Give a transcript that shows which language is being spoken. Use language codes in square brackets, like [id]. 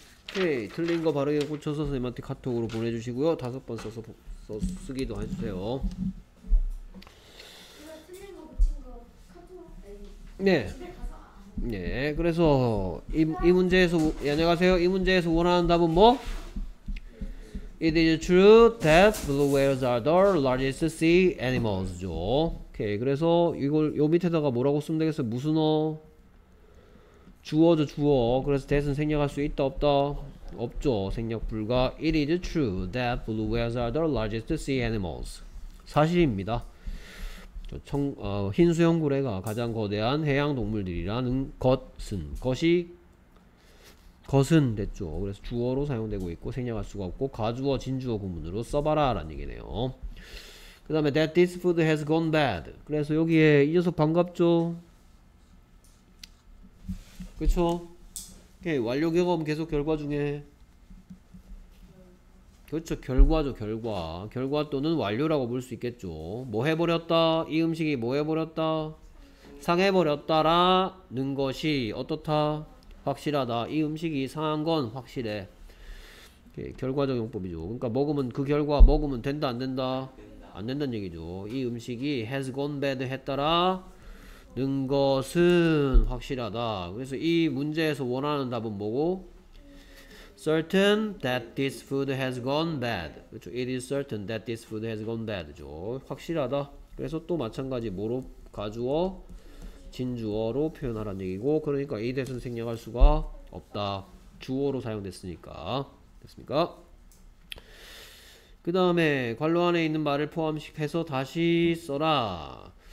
[ko] 오케이. 틀린 거 바르게 고쳐서 선생님한테 카톡으로 보내주시고요. 다섯 번 써서 쓰기도 해주세요. 네. 그래서 이 문제에서 안녕하세요. 이 문제에서 원하는 답은 뭐? [en] It is true that blue whales are the largest sea animals죠. [ko] 오케이. 그래서 이걸 요 밑에다가 뭐라고 쓰면 되겠어요? 무슨 어? 주어죠, 주어. 그래서 that은 생략할 수 있다, 없다? 없죠. 생략 불가. [en] It is true that blue whales are the largest sea animals. [ko] 사실입니다. 흰 수염 고래가 가장 거대한 해양 동물들이라는 것은 됐죠. 그래서 주어로 사용되고 있고 생략할 수가 없고 가주어, 진주어 구문으로 써봐라 라는 얘기네요. [en] 그 다음에 that this food has gone bad. [ko] 그래서 여기에 이 녀석 반갑죠? 그쵸? 오케이. 완료 경험 계속 결과 중에 그렇죠. 결과죠. 결과. 결과 또는 완료라고 볼수 있겠죠. 뭐 해버렸다? 이 음식이 뭐 해버렸다? 상해버렸다라는 것이 어떻다? 확실하다. 이 음식이 상한 건 확실해. 결과적 용법이죠. 그러니까 먹으면 그 결과 먹으면 된다 안 된다? 안 된다는 얘기죠. 이 음식이 has gone bad 했더라 는 것은 확실하다. 그래서 이 문제에서 원하는 답은 뭐고? [en] Certain that this food has gone bad. 그렇죠? It is certain that this food has gone bad죠. [ko] 확실하다. 그래서 또 마찬가지 뭐로 가주어? 진주어로 표현하라는 얘기고, 그러니까 이 대신 생략할 수가 없다. 주어로 사용됐으니까. 됐습니까? 그 다음에 관로 안에 있는 말을 포함해서 다시 써라.